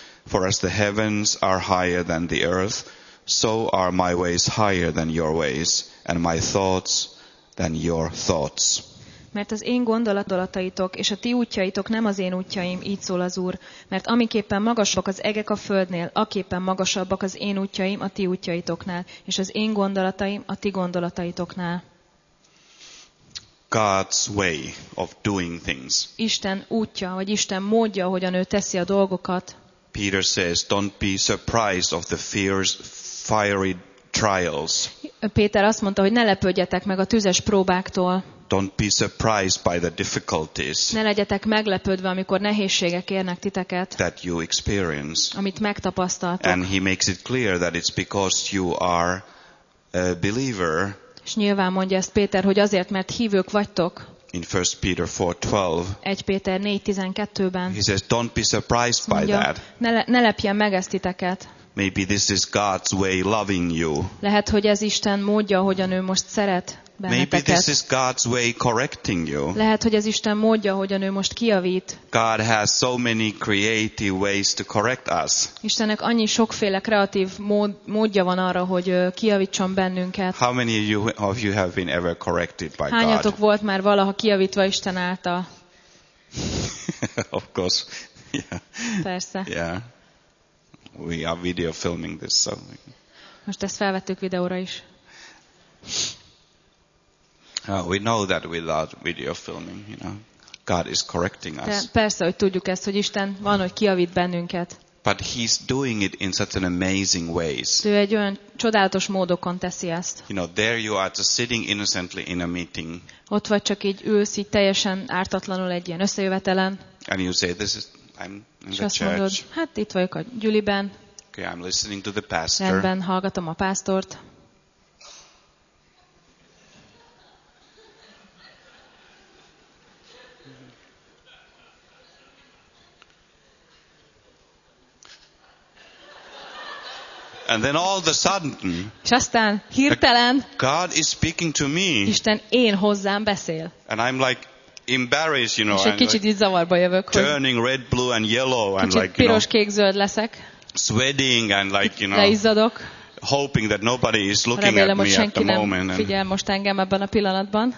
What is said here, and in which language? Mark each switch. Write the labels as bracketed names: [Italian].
[English] For as the heavens are higher than the earth, so are my ways higher than your ways, and my thoughts than your thoughts. [Hungarian] Mert az én gondolataitok és a ti útjaitok nem az én útjaim, így szól az Úr. Mert amiképpen magasabbak az egek a földnél, aképpen magasabbak az én útjaim a ti útjaitoknál, és az én gondolataim a ti gondolataitoknál. [English] God's way of doing things. [Hungarian] Isten útja, vagy Isten módja, hogyan ő teszi a dolgokat. [English] Peter says, don't be surprised of the fierce, fiery trials. [Hungarian] Péter azt mondta, hogy ne lepődjetek meg a tüzes próbáktól. [English] Don't be surprised by the difficulties. [Hungarian] Ne legyetek meglepődve, amikor nehézségek érnek titeket. [English] That you experience. [Hungarian] Amit megtapasztaltok. [English] And he makes it clear that it's because you are a believer. [Hungarian] És nyilván mondja ezt Péter, hogy azért, mert hívők vagytok. [English] In 1 Peter 4:12. [Hungarian] 1 Péter 4:12-ben. [English] He says, don't be surprised by that. [Hungarian] Ne lepjen meg ezt titeket. [English] Maybe this is God's way loving you. [Hungarian] Lehet, hogy ez Isten módja, hogyan ő most szeret benneteket. [English] Maybe this is God's way correcting you. [Hungarian] Lehet, hogy ez Isten módja, hogyan ő most kijavít. [English] God has so many creative ways to correct us. [Hungarian] Istennek annyi sokféle kreatív módja van arra, hogy kijavítson bennünket. [English] How many of you have been ever corrected by God? [Hungarian] Hányatok volt már valaha kijavítva Isten által? [English] Of course. Yeah. [Hungarian] Persze. [English] Yeah. We are video filming this, so. [Hungarian] Most ezt felvettük videóra is. [English] We know that without video filming, you know, God is correcting us. [Hungarian] De persze, hogy tudjuk ezt, hogy Isten van, hogy kijavít bennünket. [English] But he's doing it in such an amazing ways. [Hungarian] Ő egy olyan csodálatos módokon teszi ezt. [English] You know, there you are just sitting innocently in a meeting. [Hungarian] Ott vagy csak így ülsz, így teljesen ártatlanul egy ilyen összejövetelen. [English] And you say, this is [Hungarian] Mondod, hát itt vagyok a gyüliben. [English] Okay, I'm listening to the pastor. [Hungarian] Rendben, hallgatom a pásztort. [English] And then all of a sudden, [Hungarian] és aztán hirtelen, [English] God is speaking to me. [Hungarian] Isten én hozzám beszél. [English] And I'm like embarrassed, you know. [Hungarian] És egy kicsit így zavarba jövök, hogy [English] turning red, blue and yellow and like [Hungarian] piros, kék, zöld leszek. [English] Sweating and like, you know. [Hungarian] Leizzadok. [English] Hoping that nobody is looking at me at the moment. [Hungarian] Remélem, hogy senki nem figyel most engem ebben a pillanatban.